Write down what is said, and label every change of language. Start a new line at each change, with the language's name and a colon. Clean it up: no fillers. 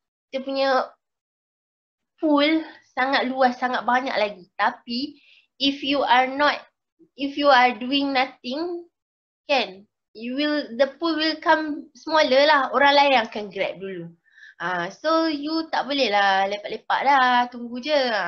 Malay: Kita punya pool sangat luas, sangat banyak lagi. Tapi
English: if you are doing nothing, kan, the pool will come smaller lah.
Malay: Orang lain yang akan grab dulu.
English: So you
Malay: tak boleh lah lepak-lepak lah, tunggu je.